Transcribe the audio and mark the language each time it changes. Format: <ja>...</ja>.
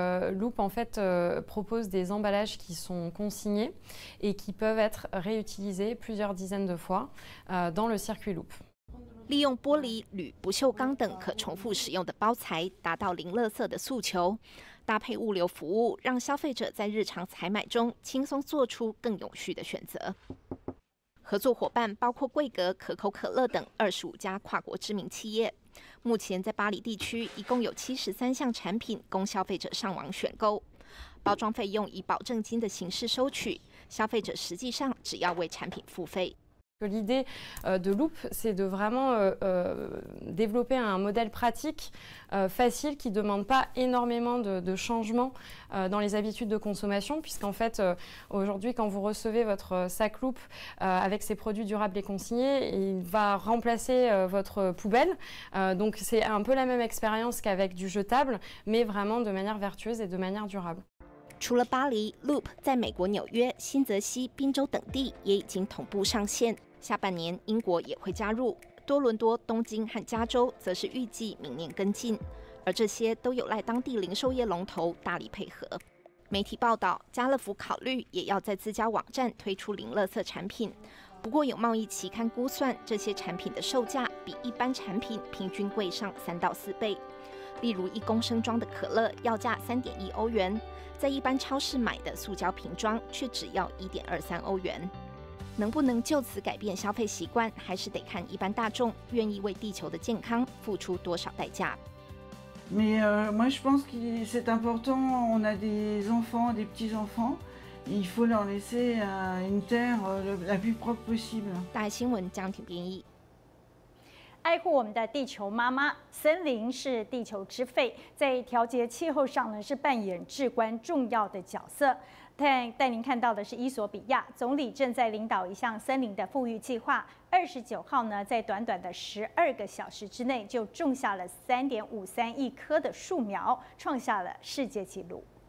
<fr>Loop en fait propose des emballages qui sont consignés et qui peuvent être réutilisés plusieurs dizaines de fois dans le circuit Loop.</fr> <zh>利用玻璃、铝、不锈钢等可重复使用的包材，达到零垃圾的诉求。搭配物流服务，让消费者在日常采买中轻松做出更永续的选择。合作伙伴包括贵格、可口可乐等25家跨国知名企业。目前在巴黎地区，一共有73项产品供消费者上网选购。包装费用以保证金的形式收取，消费者实际上只要为产品付费。</zh> <fr>L'idée de Loop, c'est de vraiment développer un modèle pratique, facile, qui ne demande pas énormément de changements dans les habitudes de consommation, puisqu'en fait, aujourd'hui, quand vous recevez votre sac Loop avec ses produits durables et consignés, il va remplacer votre poubelle. Donc, c'est un peu la même expérience qu'avec du jetable, mais vraiment de manière vertueuse et de manière durable.</fr> <zh>除了巴黎 ，Loop 在美国纽约、新泽西、宾州等地也已经同步上线。下半年英国也会加入，多伦多、东京和加州则是预计明年跟进。而这些都有赖当地零售业龙头大力配合。媒体报道，家乐福考虑也要在自家网站推出零垃圾产品。不过有贸易期刊估算，这些产品的售价比一般产品平均贵上3到4倍。例如1公升装的可乐要价3.1欧元。在一般超市买的塑胶瓶装却只要1.23欧元，能不能就此改变消费习惯，还是得看一般大众愿意为地球的健康付出多少代价。</zh> <fr>Mais moi je pense que c'est important. On a des enfants, des petits enfants, il faut leur laisser une terre la plus propre possible.</fr> <zh>大新闻江婷编译。爱护我们的地球妈妈，森林是地球之肺，在调节气候上呢是扮演至关重要的角色。带您看到的是伊索比亚总理正在领导一项森林的富裕计划，29号呢在短短的12个小时之内就种下了3.53亿棵的树苗，创下了世界纪录。</zh>